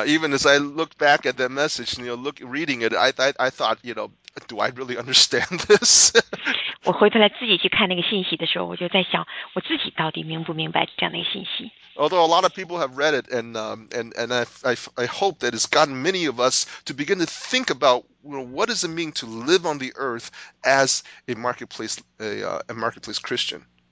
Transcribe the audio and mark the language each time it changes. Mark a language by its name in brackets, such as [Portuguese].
[English] even as I looked back at that message, you know, reading it, I thought, you know, do I really understand this? [Chinese] 我回头来自己去看那个信息的时候，我就在想，我自己到底明不明白这样的一个信息。 [English] Although a lot of people have read it, and I hope that it's gotten many of us to begin to think about, you know, what does it mean to live on the earth as a marketplace Christian.